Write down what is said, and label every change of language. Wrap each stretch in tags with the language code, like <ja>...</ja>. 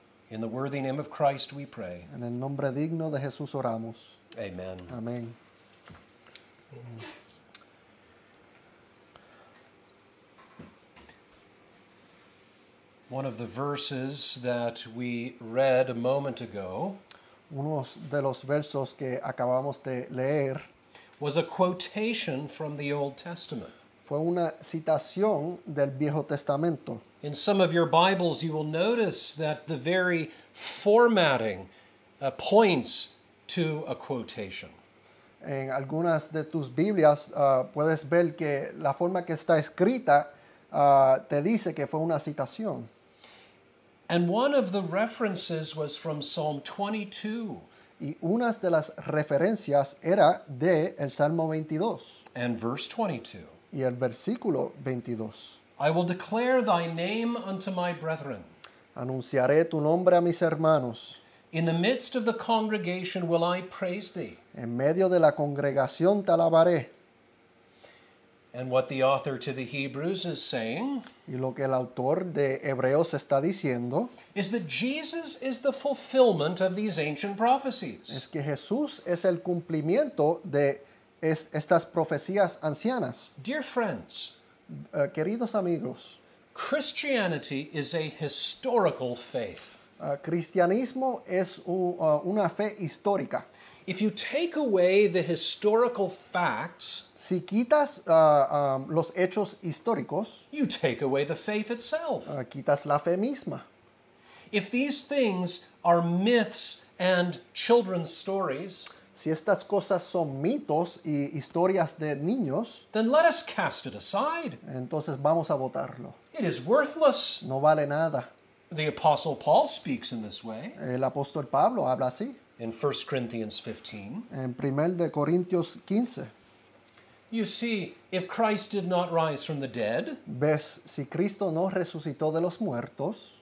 <en>In the worthy name of Christ we pray.</en> <es>En el nombre digno de Jesús oramos.</es> <en>Amen.</en> <es>Amén.</es> <en>One of the verses that we read a moment ago,</en> <es>unos de los versos que acabamos de leer,</es> <en>was a quotation from the Old Testament.</en> <es>Fue una citación del Viejo Testamento.</es> <en>In some of your Bibles, you will notice that the very formatting points to a quotation.</en> <es>En algunas de tus Biblias, puedes ver que la forma que está escrita te dice que fue una citación.</es> <en>And one of the references was from Psalm 22.</en> <es>Y una de las referencias era de el Salmo 22.</es> <en>And verse 22.</en> <es>Y el versículo 22.</es> <en>I will declare thy name unto my brethren.</en> <es>Anunciaré tu nombre a mis hermanos.</es> <en>In the midst of the congregation will I praise thee.</en> <es>En medio de la congregación te alabaré.</es> <en>And what the author to the Hebrews is saying,</en> <es>y lo que el autor de Hebreos está diciendo,</es> <en>is that Jesus is the fulfillment of these ancient prophecies.</en> <es>Es que Jesús es el cumplimiento de estas profecías ancianas.</es> <en>Dear friends,</en> <es>queridos amigos,</es> <en>Christianity is a historical faith.</en> <es>Cristianismo es una fe histórica.</es> <en>If you take away the historical facts,</en> <es>si quitas los hechos históricos,</es> <en>you take away the faith itself.</en> <es>Quitas la fe misma.</es> <en>If these things are myths and children's stories,</en> <es>si estas cosas son mitos y historias de niños,</es> <en>then let us cast it aside.</en> <es>Entonces vamos a botarlo.</es> <en>It is worthless.</en> <es>No vale nada.</es> <en>The Apostle Paul speaks in this way.</en> <es>El apóstol Pablo habla así.</es> <en>In 1 Corinthians 15.</en> <es>En 1 de Corintios 15.</es> <en>You see, if Christ did not rise from the dead,</en> <es>ves, si Cristo no resucitó de los muertos,</es>